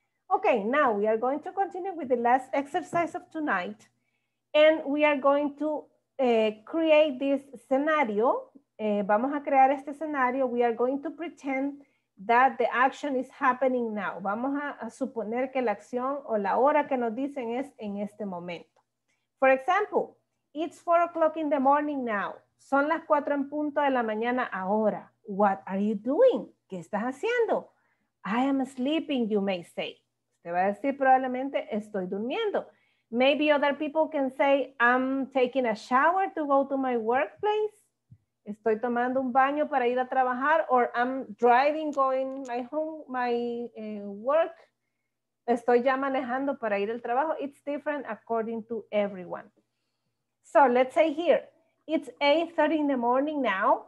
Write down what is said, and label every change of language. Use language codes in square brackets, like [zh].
[en] Okay, now we are going to continue with the last exercise of tonight. And we are going to create this scenario [es] vamos a crear este escenario. [en] We are going to pretend that the action is happening now. [es] Vamos a suponer que la acción o la hora que nos dicen es en este momento. [en] For example, it's 4 o'clock in the morning now. [es] Son las 4 en punto de la mañana ahora. [en] What are you doing? [es] ¿Qué estás haciendo? [en] I am sleeping, you may say. [es] Te va a decir probablemente estoy durmiendo. [en] Maybe other people can say, I'm taking a shower to go to my workplace. [es] Estoy tomando un baño para ir a trabajar. [en] Or I'm driving, going my home, my work. [es] Estoy ya manejando para ir al trabajo. [en] It's different according to everyone. So let's say here, it's 8:30 in the morning now.